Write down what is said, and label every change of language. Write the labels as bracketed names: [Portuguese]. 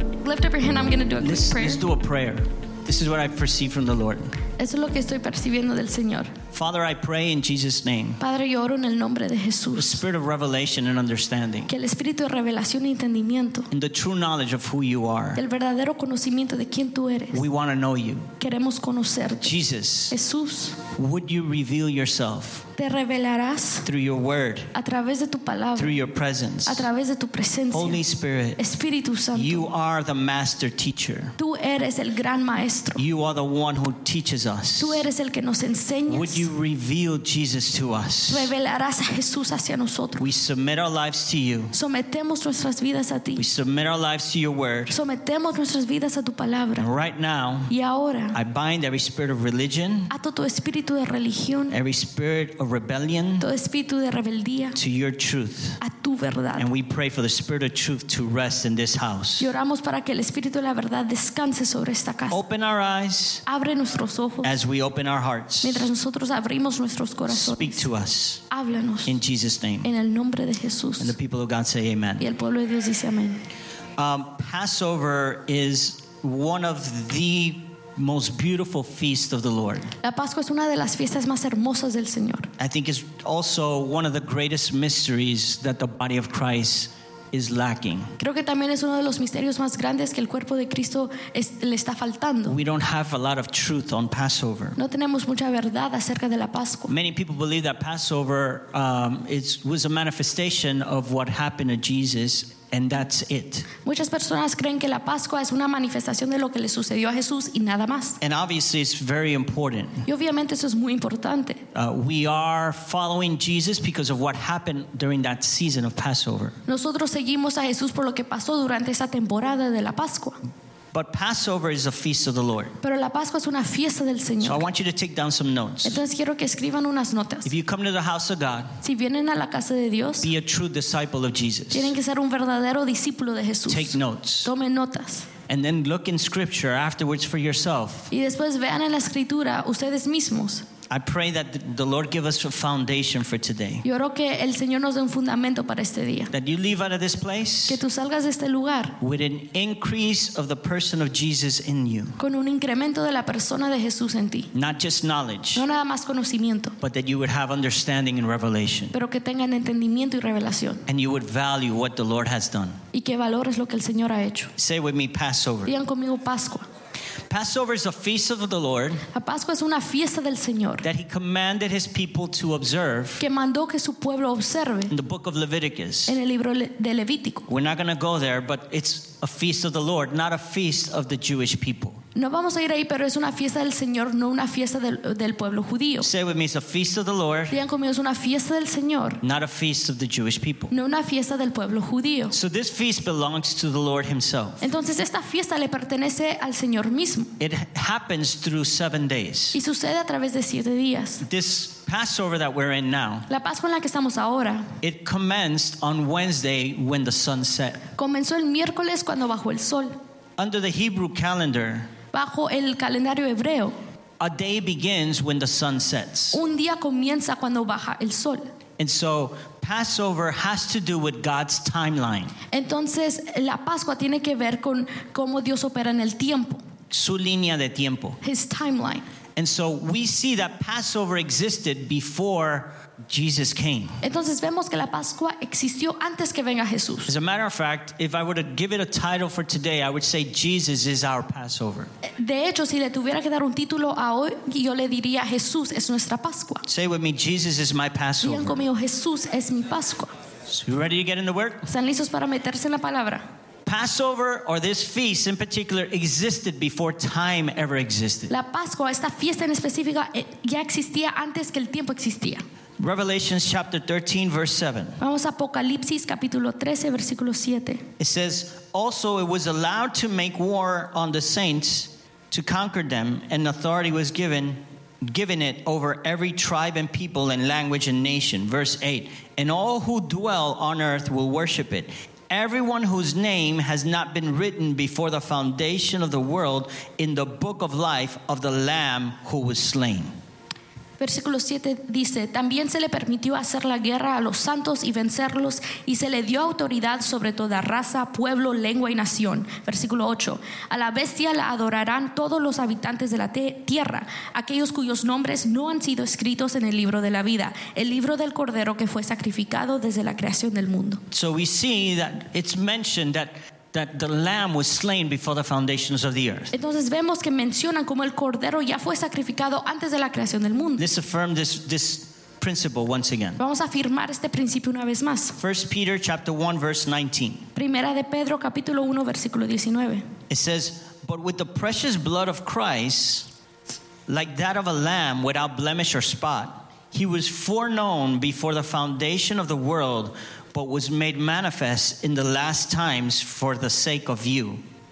[English] Lift up your hand, I'm going to do a quick prayer. Let's do a prayer. This is what I perceive from the Lord. [Spanish] Eso es lo que estoy percibiendo del Señor. [English] Father, I pray in Jesus' name. [Spanish] Padre, yo oro en el nombre de Jesús. [English] The spirit of revelation and understanding. [Spanish] Que el espíritu de revelación y entendimiento. [English] And the true knowledge of who you are. [Spanish] Del verdadero conocimiento de quién tú eres. [English] We want to know you. [Spanish] Queremos conocerte. [English] Jesus. [Spanish] Jesús. [English] Would you reveal yourself? [Spanish] Te revelarás. [English] Through your word. [Spanish] A través de tu palabra. [English] Through your presence. [Spanish] A través de tu presencia. [English] Holy Spirit. [Spanish] Espíritu Santo. [English] You are the master teacher. [Spanish] Tú eres el gran maestro. [English] You are the one who teaches us. [Spanish] Tú eres el que nos enseñas. [English] Would you reveal Jesus to us? [Spanish] Revelarás a Jesús hacia nosotros. [English] We submit our lives to you. [Spanish] Sometemos nuestras vidas a ti. [English] We submit our lives to your word. [Spanish] Sometemos nuestras vidas a tu palabra. [English] And right now. [Spanish] Y ahora. [English] I bind every spirit of religion. [Spanish] Ato tu espíritu de religión. [English] Every spirit of rebellion. [Spanish] Todo espíritu de rebeldía. [English] To your truth. [Spanish] A tu verdad. [English] And we pray for the spirit of truth to rest in this house. [Spanish] Y oramos para que el espíritu de la verdad descanse sobre esta casa. [English] Open our eyes. [Spanish] Abre nuestros ojos. [English] As we open our hearts. [Spanish] Mientras nosotros abrimos nuestros corazones. [English] Speak to us. [Spanish] Háblanos. [English] In Jesus' name. [Spanish] En el nombre de Jesús. [English] And the people of God say amen. [Spanish] Y el pueblo de Dios dice amén. [English] Passover is one of the most beautiful feast of the Lord. [Spanish] La Pascua es una de las fiestas más hermosas del Señor. [English] I think it's also one of the greatest mysteries that the body of Christ is lacking. [Spanish] Creo que también es uno de los misterios más grandes que el cuerpo de Cristo le está faltando. [English] We don't have a lot of truth on Passover. [Spanish] No tenemos mucha verdad acerca de la Pascua. [English] Many people believe that Passover was a manifestation of what happened to Jesus. And that's it. [Spanish] Muchas personas creen que la Pascua es una manifestación de lo que le sucedió a Jesús y nada más. [English] And obviously it's very important. [Spanish] Y obviamente eso es muy importante. [English] We are following Jesus because of what happened during that season of Passover. [Spanish] Nosotros seguimos a Jesús por lo que pasó durante esa temporada de la Pascua. [English] But Passover is a feast of the Lord. [Spanish] Pero la Pascua es una fiesta del Señor. [English] So I want you to take down some notes. [Spanish] Entonces quiero que escriban unas notas. [English] If you come to the house of God, [Spanish] si vienen a la casa de Dios, [English] be a true disciple of Jesus. [Spanish] Tienen que ser un verdadero discípulo de Jesús. [English] Take notes. [Spanish] Tomen notas. [English] And then look in Scripture afterwards for yourself. [Spanish] Y después vean en la Escritura ustedes mismos. [English] I pray that the Lord give us a foundation for today. [Spanish] Yo oro que el Señor nos dé un fundamento para este día. [English] That you leave out of this place. [Spanish] Que tú salgas de este lugar. [English] With an increase of the person of Jesus in you. [Spanish] Con un incremento de la persona de Jesús en ti. [English] Not just knowledge. [Spanish] No nada más conocimiento. [English] But that you would have understanding and revelation. [Spanish] Pero que tengan entendimiento y revelación. [English] And you would value what the Lord has done. [Spanish] Y que valores lo que el Señor ha hecho. [English] Say with me, Passover. [Spanish] Digan conmigo, Pascua. [English] Passover is a feast of the Lord. [Spanish] La Pascua es una fiesta del Señor. [English] That he commanded his people to observe. [Spanish] Que mandó que su pueblo observe. [English] In the book of Leviticus. [Spanish] En el libro de Levítico. [English] We're not going to go there, but it's a feast of the Lord, not a feast of the Jewish people. [Spanish] No vamos a ir ahí, pero es una fiesta del Señor, no una fiesta del pueblo judío. [English] Say with me, it's a feast of the Lord. [Spanish] Digan conmigo, es una fiesta del Señor. [English] Not a feast of the Jewish people. [Spanish] No una fiesta del pueblo judío. [English] So this feast belongs to the Lord himself. [Spanish] Entonces esta fiesta le pertenece al Señor mismo. [English] It happens through 7 days. [Spanish] Y sucede a través de 7 días. [English] This Passover that we're in now. [Spanish] La Pascua en la que estamos ahora. [English] It commenced on Wednesday when the sun set. [Spanish] Comenzó el miércoles cuando bajó el sol. [English] Under the Hebrew calendar. [Spanish] Bajo el calendario hebreo. [English] A day begins when the sun sets. [Spanish] Un día comienza cuando baja el sol. [English] And so Passover has to do with God's timeline. [Spanish] Entonces la Pascua tiene que ver con cómo Dios opera en el tiempo. Su línea de tiempo. [English] His timeline. And so we see that Passover existed before Jesus came. [Spanish] Entonces vemos que la Pascua existió antes que venga Jesús. [English] As a matter of fact, if I were to give it a title for today, I would say Jesus is our Passover. [Spanish] De hecho, si le tuviera que dar un título a hoy, yo le diría Jesús es nuestra Pascua. [English] Say with me, Jesus is my Passover. [Spanish] Digan conmigo, Jesús es mi Pascua. [English] So you ready to get in the word? [Spanish] ¿Están listos para meterse en la palabra? [English] Passover, or this feast in particular, existed before time ever existed. [Spanish] La Pascua, esta fiesta en específica, ya existía antes que el tiempo existía. [English] Revelation chapter 13, verse 7. [Spanish] Vamos a Apocalipsis, capítulo 13, versículo 7. [English] It says, also it was allowed to make war on the saints to conquer them, and authority was given it over every tribe and people and language and nation. Verse 8. And all who dwell on earth will worship it. Everyone whose name has not been written before the foundation of the world in the book of life of the Lamb who was slain. [Spanish] Versículo 7 dice, también se le permitió hacer la guerra a los santos y vencerlos, y se le dio autoridad sobre toda raza, pueblo, lengua y nación. Versículo 8, a la bestia la adorarán todos los habitantes de la tierra, aquellos cuyos nombres no han sido escritos en el libro de la vida, el libro del cordero que fue sacrificado desde la creación del mundo. [English] So we see that it's mentioned that the lamb was slain before the foundations of the earth. [Spanish] Entonces vemos que mencionan como el cordero ya fue sacrificado antes de la creación del mundo. [English] This affirms this principle once again. [Spanish] Vamos a afirmar este principio una vez más. [English] 1 Peter chapter 1 verse 19. [Spanish] Primera de Pedro capítulo 1 versículo 19. [English] It says, "But with the precious blood of Christ, like that of a lamb without blemish or spot, he was foreknown before the foundation of the world, but was made manifest in the last times for the sake of you."